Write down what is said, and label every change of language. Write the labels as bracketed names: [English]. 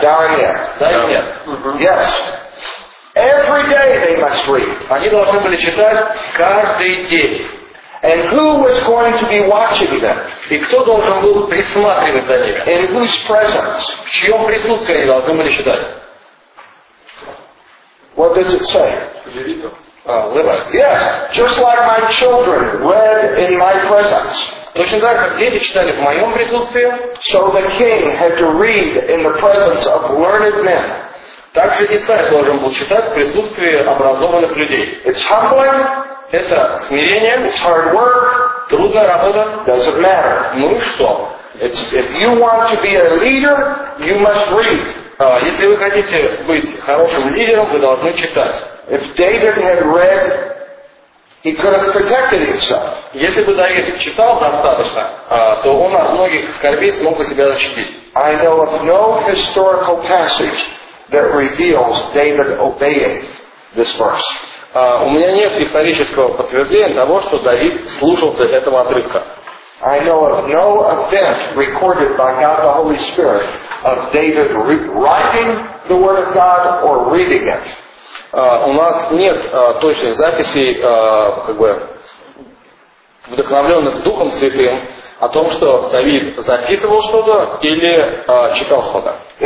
[Russian] Да или нет? Да или нет? [English] Yes. Every day they must read. [Russian] Они должны были читать каждый день. [English] And who was going to be watching them? [Russian] И кто должен был присматривать за ними? [English] In whose presence? [Russian] В чьем присутствии они должны были читать? [English] What does it say? Yes, just like my children read in my presence. [Russian] Точно так, как дети читали в моем присутствии. [English] So the king had to read in the presence of learned men. [Russian] Также и царь должен был читать в присутствии образованных людей. [English] It's humbling. [Russian] Это смирение. [English] It's hard work. [Russian] Трудная работа. [English] Doesn't matter. [Russian] Ну и что? [English] If you want to be a leader, you must read. [Russian] Если вы хотите быть хорошим лидером, вы должны читать. [English] If David had read He could have protected himself. [Russian] Если бы Давид читал достаточно, то он от многих скорбей смог бы себя защитить. [English] I know of no historical passage that reveals David obeying this verse. [Russian] У меня нет исторического подтверждения того, что Давид слушался этого отрывка. [English] I know of no event recorded by God the Holy Spirit of David writing the Word of God or reading it. [Russian] У нас нет точной записи, как бы вдохновленных Духом Святым, о том, что Давид записывал что-то или читал что-то.